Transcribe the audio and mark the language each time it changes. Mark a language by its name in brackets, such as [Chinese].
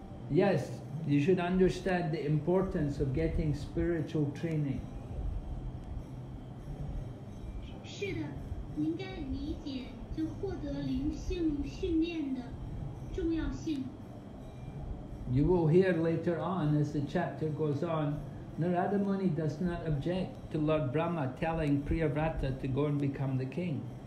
[English] Yes, you should understand the importance of getting spiritual training. [Chinese] 是的，您该理解就获得灵性训练的重要性。 [English] You will hear later on as the chapter goes on, Narada Muni does not object to Lord Brahma telling Priya Vrata to go and become the king.